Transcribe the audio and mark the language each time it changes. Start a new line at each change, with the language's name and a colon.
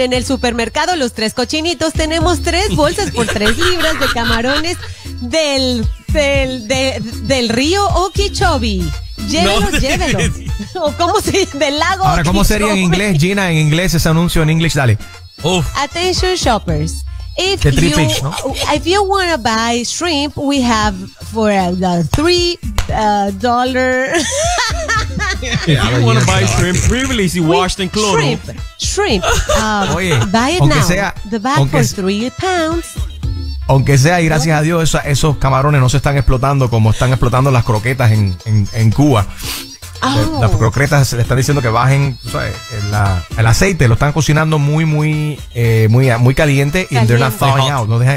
Spanish: En el supermercado Los Tres Cochinitos tenemos 3 bolsas por 3 libras de camarones del río Okeechobee. Llévelos. ¿Cómo se dice? Del lago Okeechobee. Ahora, ¿cómo sería en inglés, Gina, en inglés ese anuncio en inglés? Dale.
English: Uf. Attention, shoppers. If you want to buy shrimp, we have for the $3. If you want to buy shrimp, previously washed and clothed. Shrimp. Buy it now. Sea, the bag for £3.
Spanish: Aunque sea, y gracias a Dios, esos camarones no se están explotando como están explotando las croquetas en Cuba. Las croquetas le están diciendo que bajen el aceite, lo están cocinando muy caliente y
English: they're not thawing out.